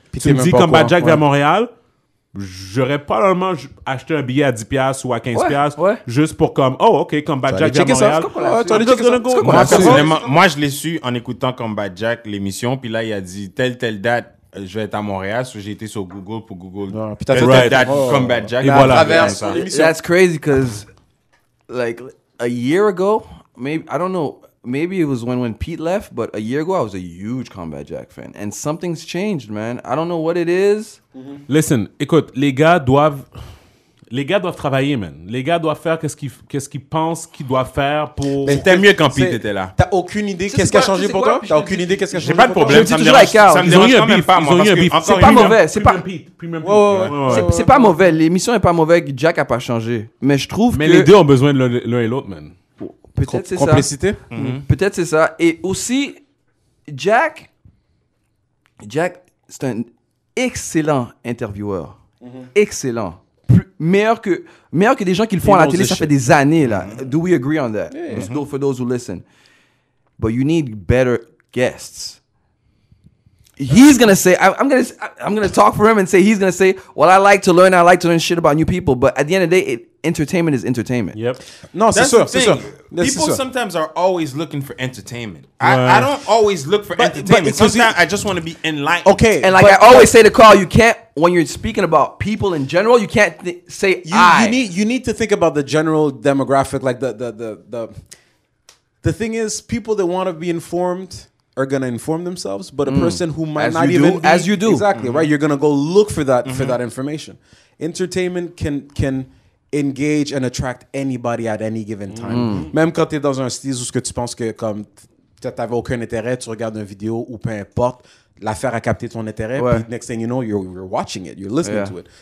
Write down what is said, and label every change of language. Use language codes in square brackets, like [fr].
[fr] Puis tu me dis Combat Jack vers Montréal, j'aurais pas normalement acheté un billet à 10$ ou à 15$ juste pour comme, oh, OK, Combat Jack vers Montréal. Moi, je l'ai su en écoutant Combat Jack, l'émission, puis là, il a dit telle date, je vais être à Montréal, so j'ai été sur Google pour Google. Non, putain, right. Combat Jack. Et voilà. [en] That's crazy because like a year ago, maybe I don't know, maybe it was when Pete left, but a year ago I was a huge Combat Jack fan and something's changed, man. I don't know what it is. Mm-hmm. Listen, [fr] écoute, les gars doivent travailler, man. Les gars doivent faire qu'est-ce qu'ils pensent qu'ils doivent faire pour. Mais c'était mieux quand Pete était là. T'as aucune idée qu'est-ce qui a changé pour toi? T'as aucune idée qu'est-ce qui a changé? J'ai pas de problème. Je me dis toujours avec Carl. Ils ont eu un beef. Ils ont eu un beef. C'est pas mauvais. C'est pas Pete. C'est pas mauvais. L'émission est pas mauvaise. Jack a pas changé. Mais je trouve. Mais les deux ont besoin de l'un et l'autre, man. Peut-être c'est ça. Complicité. Peut-être c'est ça. Et aussi, Jack. Jack, c'est un excellent intervieweur. Excellent. Meilleur que des gens qui le font à la télé, ça fait des années là. [en] Mm-hmm. Do we agree on that? Yeah, mm-hmm. For those who listen, but you need better guests. He's gonna say, I'm gonna talk for him and say he's gonna say, well, I like to learn shit about new people. But at the end of the day, entertainment is entertainment. Yep. No, that's sûr, the thing. That's people sometimes are always looking for entertainment. I don't always look for entertainment. But sometimes I just want to be enlightened. Okay. And like I always say to Carl, you can't, when you're speaking about people in general, you can't say you need to think about the general demographic. Like the thing is, people that want to be informed are gonna inform themselves, but a person who might as you do exactly right, you're gonna go look for that for that information. Entertainment can engage and attract anybody at any given time. [fr] Même quand t'es dans un style où ce que tu penses que comme t'avais aucun intérêt, tu regardes une vidéo ou peu importe, l'affaire a capté ton intérêt. [en] Puis next thing you know, you're watching it, you're listening to it.